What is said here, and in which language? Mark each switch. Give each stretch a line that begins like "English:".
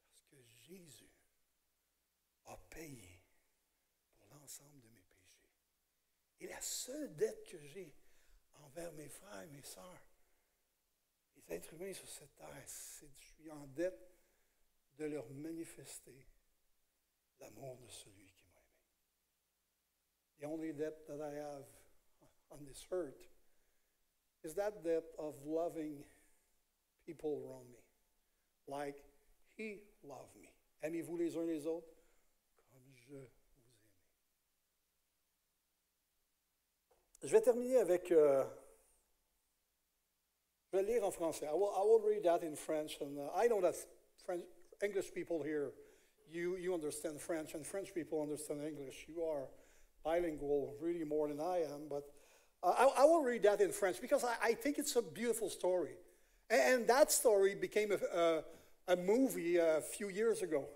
French: Parce que Jésus a payé pour l'ensemble de mes péchés. Et la seule dette que j'ai envers mes frères et mes sœurs, les êtres humains sur cette terre, c'est que je suis en dette de leur manifester l'amour de celui qui m'a aimé.
English: The only debt that I have on this earth is that debt of loving people around me like he loved me.
French: Aimez-vous les uns les autres comme je vous aime. Je vais terminer avec je vais lire en français.
English: I will read that in French, and I know that French English people here, you understand French, and French people understand English. You are bilingual really more than I am, but I will read that in French because I think it's a beautiful story. And that story became a movie a few years ago.